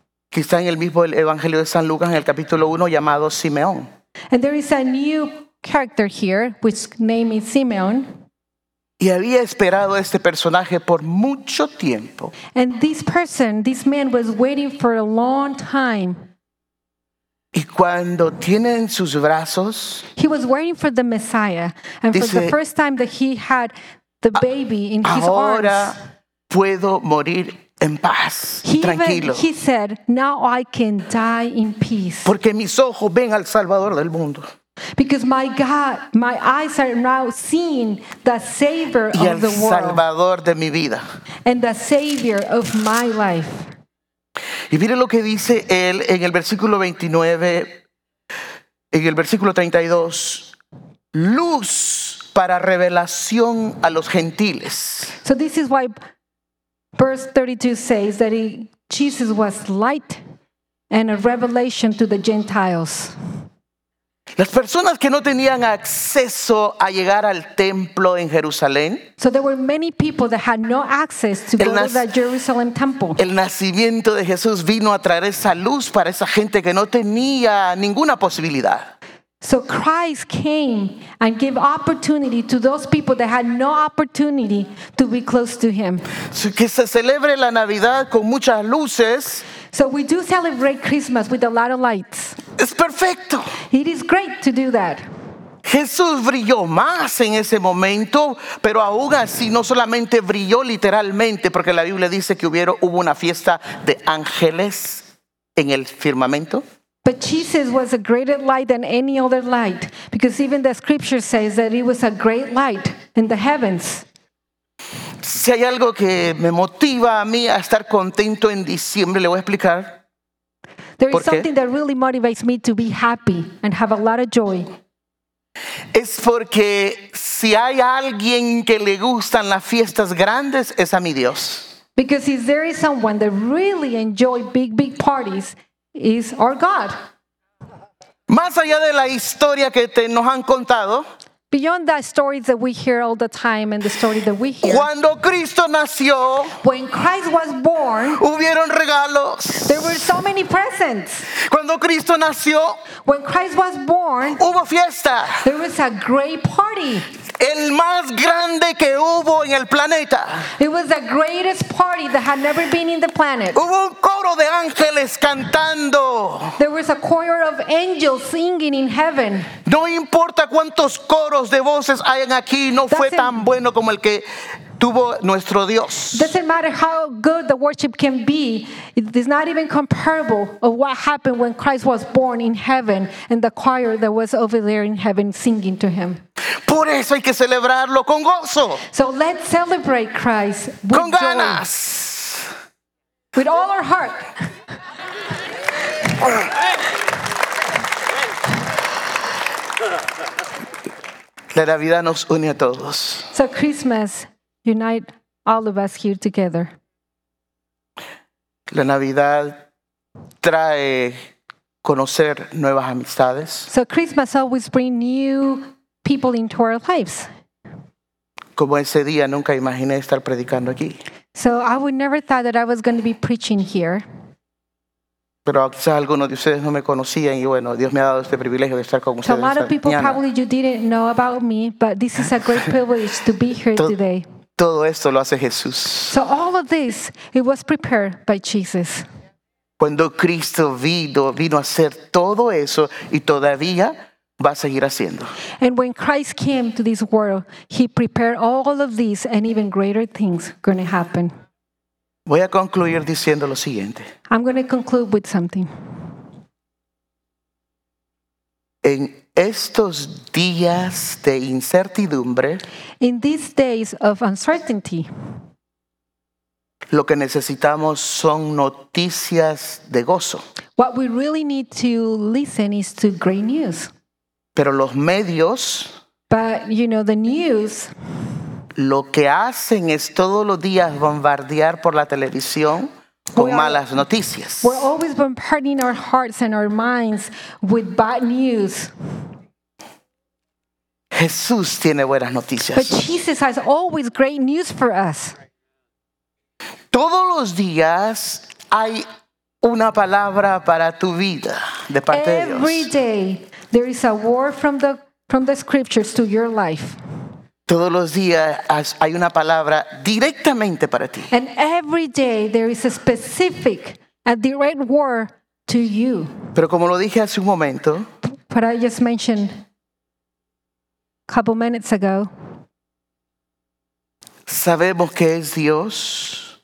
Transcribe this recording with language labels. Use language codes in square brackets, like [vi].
[es] Que está en el mismo Evangelio de San Lucas en el capítulo 1 llamado Simeón. [en] And there is a new character here, which name is Simeon. [es] Y había esperado este personaje por mucho tiempo. [en] And this man was waiting for a long time. [es] Y cuando tiene en sus brazos, [en] he was waiting for the Messiah. And [es] dice, [en] for the first time that he had the baby in his arms. [es] Ahora puedo morir en paz, tranquilo. [en] He said, now I can die in peace. [es] Porque mis ojos ven al Salvador del mundo. [en] Because my eyes are now seeing the Savior [es] y [en] of the world. [es] Y el Salvador de mi vida. [en] And the Savior of my life. [es] Y mire lo que dice él en el versículo 29, en el versículo 32. Luz para revelación a los gentiles. [en] So this is why verse 32 says that Jesus was light and a revelation to the Gentiles. [es] Las personas que no tenían acceso a llegar al templo en Jerusalén. [en] So there were many people that had no access to go to the Jerusalem temple. [es] El nacimiento de Jesús vino a traer esa luz para esa gente que no tenía ninguna posibilidad. [en] So Christ came and gave opportunity to those people that had no opportunity to be close to him. So [es] que se celebre la Navidad con muchas luces. [en] So we do celebrate Christmas with a lot of lights. [es] Es perfecto. [en] It is great to do that. [es] Jesús brilló más en ese momento, pero aún así no solamente brilló literalmente, porque la Biblia dice que hubo una fiesta de ángeles en el firmamento. [en] But Jesus was a greater light than any other light, because even the scripture says that he was a great light in the heavens. [es] Si hay algo que me motiva a mí a estar contento en diciembre, le voy a explicar. [en] There is something that really motivates me to be happy and have a lot of joy. [es] Es porque si hay alguien que le gustan las fiestas grandes, es a mi Dios. [en] Because if there is someone that really enjoys big, big parties, is our God. [es] Más allá de la historia que nos han contado. [en] Beyond the stories that we hear all the time and the story that we hear. [es] Cuando Cristo nació. [en] When Christ was born. [es] Hubieron regalos. [en] There were so many presents. [es] Cuando Cristo nació. [en] When Christ was born. [es] Hubo fiesta. [en] There was a great party. [es] El más grande que hubo en el planeta. [en] It was the greatest party that had never been in the planet. [es] Hubo un coro de ángeles cantando. [en] There was a choir of angels singing in heaven. [es] No importa cuántos coros de voces hayan aquí, no fue tan bueno como el que tuvo nuestro Dios. [en] Doesn't matter how good the worship can be, it is not even comparable of what happened when Christ was born in heaven and the choir that was over there in heaven singing to him. [es] Por eso hay que celebrarlo con gozo. [en] So let's celebrate Christ with [es] con ganas. [en] Joy, with all our heart. [es] La Navidad nos une a todos. [en] So Christmas unite all of us here together. [es] La Navidad trae conocer nuevas amistades. [en] So Christmas always brings new people into our lives. [es] Como ese día nunca imaginé estar predicando aquí. [en] So I would never thought that I was going to be preaching here. [es] Pero quizás algunos de ustedes no me conocían y bueno, Dios me ha dado este privilegio de estar con ustedes. [en] So a lot of people probably you didn't know about me, but this is a great privilege to be here today. [es] Todo esto lo hace Jesús. [en] So all of this, it was prepared by Jesus. [es] Cuando Cristo vino a hacer todo eso y todavía va a seguir haciendo. [en] And when Christ came to this world, he prepared all of these and even greater things going to happen. [es] Voy a concluir diciendo lo siguiente. [en] I'm going to conclude with something. [es] En estos días de incertidumbre, [en] in these days of uncertainty, [es] lo que necesitamos son noticias de gozo. [en] What we really need to listen is to great news. [es] Pero los medios, [en] but you know, the news, [es] lo que hacen es todos los días bombardear por la televisión con malas noticias. [en] We're always bombarding our hearts and our minds with bad news. [es] Jesús tiene buenas noticias. [en] But Jesus has always great news for us. [es] Todos los días hay una palabra para tu vida de parte [en] every [es] de Dios. [en] Every day there is a word from the scriptures to your life. [es] Todos los días hay una palabra directamente para ti. [en] And every day there is a specific, a direct word to you. [es] Pero como lo dije hace un momento, [en] but I just mentioned a couple minutes ago, [es] sabemos que es Dios.